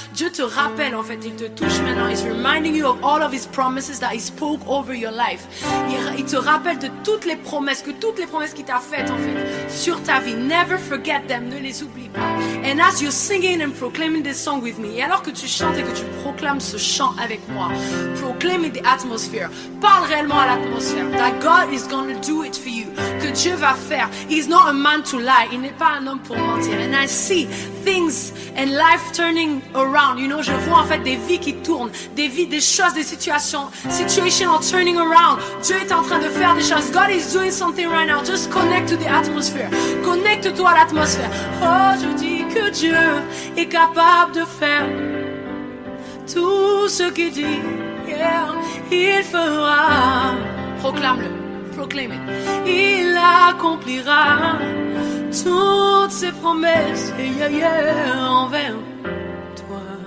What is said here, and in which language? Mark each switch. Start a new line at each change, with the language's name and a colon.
French: Dieu te rappelle, en fait. Il te touche maintenant.
English: He's reminding you of all of his promises that he spoke over your life.
French: Il te rappelle de toutes les promesses, que toutes les promesses qu'il t'a faites, en fait, sur ta vie.
English: Never forget them.
French: Ne les oublie pas.
English: And as you're singing and proclaiming this song with me,
French: et alors que tu chantes et que tu proclames ce chant avec moi,
English: proclaim it the atmosphere.
French: Parle réellement à l'atmosphère.
English: That God is going to do it for you.
French: Que Dieu va faire.
English: He's not a man to lie.
French: Il n'est pas un homme pour mentir.
English: And I see things and life turning around. You know,
French: je vois en fait des vies qui tournent, des vies, des choses, des situations.
English: Situations are turning around.
French: Dieu est en train de faire des choses.
English: God is doing something right now. Just connect to the atmosphere.
French: Connecte-toi à l'atmosphère. Oh, je dis que Dieu est capable de faire tout ce qu'il dit.
English: Yeah,
French: il fera. Proclame-le.
English: Proclaim it.
French: Il accomplira toutes ses promesses, yeah, yeah, envers toi.